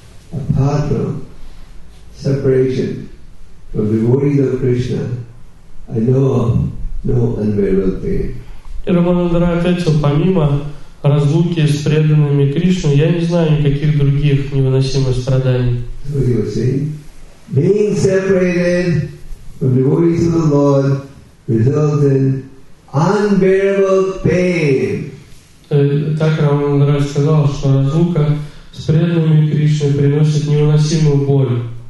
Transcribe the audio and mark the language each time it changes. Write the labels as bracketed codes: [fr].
[en] Apart from separation from the devotees of Krishna, I know of no unbearable pain. [ru] И Рамананду Роя ответил, помимо разлуки с преданными Кришне, я не знаю никаких других невыносимых страданий. [en] So you see, being separated from the devotees of the Lord results in unbearable pain. [ru] Так Рамананда Роя сказал, что разлука с преданными Кришне приносит невыносимую боль.